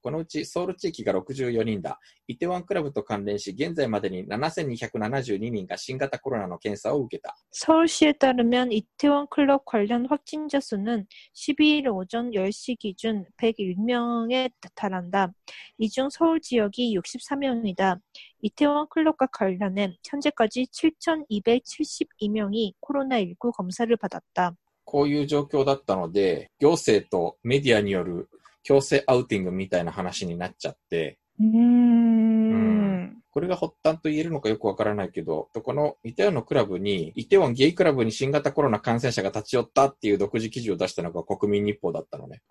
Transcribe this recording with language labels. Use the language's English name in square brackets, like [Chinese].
[Japanese] このうちソウル地域が64人だ。イテウォンクラブと関連し、現在までに7272人が新型コロナの検査を受けた。 [Korean] ソウル市에따르면、イテウォンクラブ관련확진자수는12일오전10시기준101명에달한다。 이중ソウル지역이64명이다。 이태원클럽과관련해현재까지7272명이코로나19검사를받았다 [Japanese] こういう状況だったので行政とメディアによる強制アウティングみたいな話になっちゃってこれが発端と言えるのかよくわからないけどこのイテウォンのクラブにイテウォンゲイクラブに新型コロナ感染者が立ち寄ったっていう独自記事を出したのが国民日報だったのね